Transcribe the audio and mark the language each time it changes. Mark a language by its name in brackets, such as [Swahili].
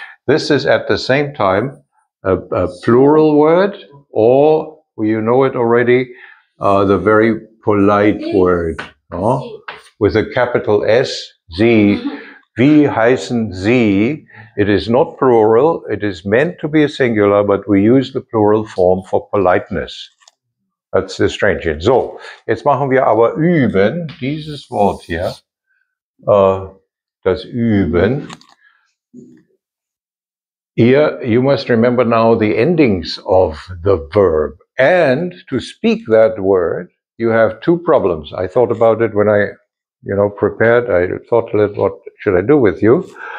[English] This is at the same time a plural word, or, you know it already, the very polite word, with a capital S, Sie. [German] Wie heißen Sie? [English] It is not plural. It is meant to be a singular, but we use the plural form for politeness. That's the strange thing. [German] So, jetzt machen wir aber üben, dieses Wort hier, das üben. [English] Here, you must remember now the endings of the verb. And to speak that word, you have two problems. I thought about it when I, you know, prepared. I thought a little, what should I do with you?